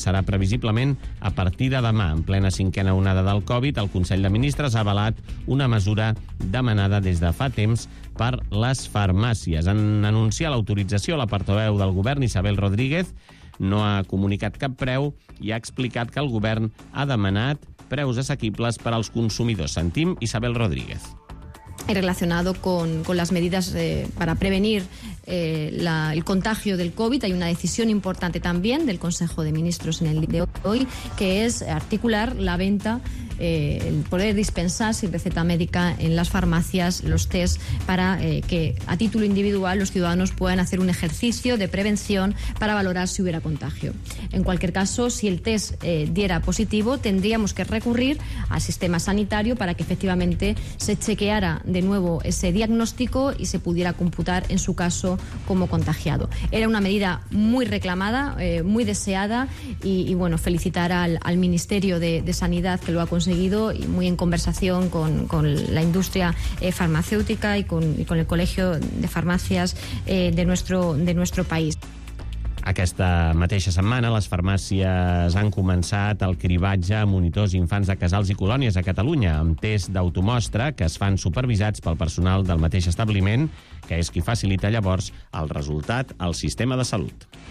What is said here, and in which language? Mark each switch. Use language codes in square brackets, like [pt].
[ca] Serà previsiblement a partir de demà. En plena cinquena onada del Covid, el Consell de Ministres ha avalat una mesura demanada des de fa temps per les farmàcies. En anunciar l'autorització, la portaveu del govern, Isabel Rodríguez, no ha comunicat cap preu i ha explicat que el govern ha demanat preus assequibles per als consumidors. Sentim Isabel Rodríguez. [es] Relacionado con las medidas para prevenir el contagio del COVID, hay una decisión importante también del Consejo de Ministros en el día de hoy, que es articular la venta, el poder dispensar sin receta médica en las farmacias los test para que a título individual los ciudadanos puedan hacer un ejercicio de prevención para valorar si hubiera contagio. En cualquier caso, si el test diera positivo, tendríamos que recurrir al sistema sanitario para que efectivamente se chequeara de nuevo ese diagnóstico y se pudiera computar en su caso como contagiado. Era una medida muy reclamada, muy deseada y bueno, felicitar al Ministerio de Sanidad que lo ha conseguido y muy en conversación con la industria farmacéutica y con el Colegio de Farmacias de nuestro país. [ca] Aquesta mateixa setmana les farmàcies han començat el cribatge a monitors infants de casals i colònies a Catalunya amb tests d'automostra que es fan supervisats pel personal del mateix establiment, que és qui facilita llavors el resultat al sistema de salut.